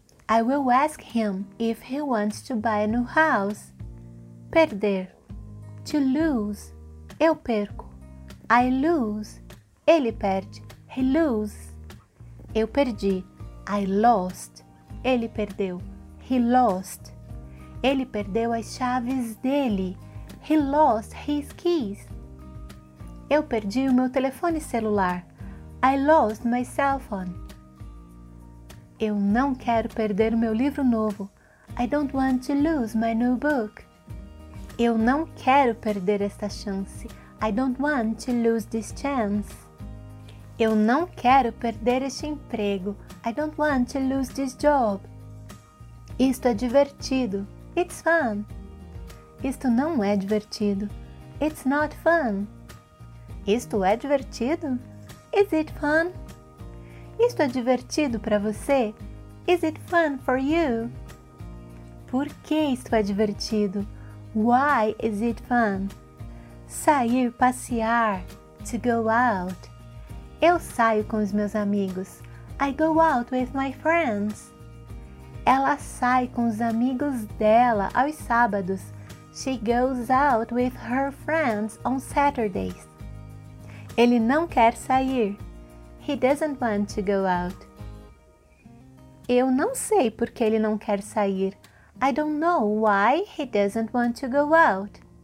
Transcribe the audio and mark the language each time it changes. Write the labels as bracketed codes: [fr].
[en] I will ask him if he wants to buy a new house. [pt] Perder. [en] To lose. [pt] Eu perco. [en] I lose. [pt] Ele perde. [en] He loses. [pt] Eu perdi. [en] I lost. [pt] Ele perdeu. [en] He lost. [pt] Ele perdeu as chaves dele. [en] He lost his keys. [pt] Eu perdi o meu telefone celular. [en] I lost my cell phone. [pt] Eu não quero perder meu livro novo. [en] I don't want to lose my new book. [pt] Eu não quero perder esta chance. [en] I don't want to lose this chance. [pt] Eu não quero perder este emprego. [en] I don't want to lose this job. [pt] Isto é divertido. [en] It's fun. [pt] Isto não é divertido. [en] It's not fun. [pt] Isto é divertido? [en] Is it fun? [pt] Isto é divertido para você? [en] Is it fun for you? [pt] Por que isto é divertido? [en] Why is it fun? [pt] Sair, passear. [en] To go out. [pt] Eu saio com os meus amigos. [en] I go out with my friends. [pt] Ela sai com os amigos dela aos sábados. [en] She goes out with her friends on Saturdays. [pt] Ele não quer sair. [en] He doesn't want to go out. [pt] Eu não sei por que ele não quer sair. [en] I don't know why he doesn't want to go out.